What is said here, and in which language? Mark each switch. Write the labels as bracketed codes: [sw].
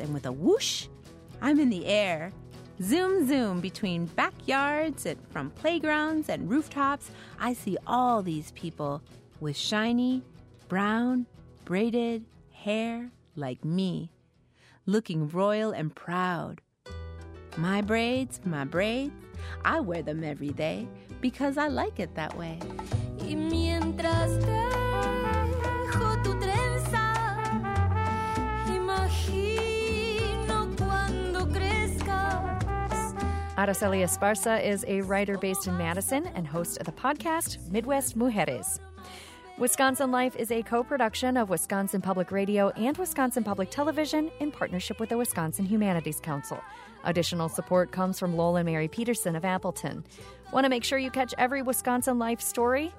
[en] And with a whoosh, I'm in the air. Zoom, zoom, between backyards and from playgrounds and rooftops, I see all these people with shiny, brown, braided hair like me, looking royal and proud. My braids, I wear them every day because I like it that way. [es] Y mientras dejo tu trenza, imagino cuando crezcas. [en] Araceli Esparza is a writer based in Madison and host of the podcast Midwest Mujeres. Wisconsin Life is a co-production of Wisconsin Public Radio and Wisconsin Public Television in partnership with the Wisconsin Humanities Council. Additional support comes from Lola Mary Peterson of Appleton. Want to make sure you catch every Wisconsin Life story?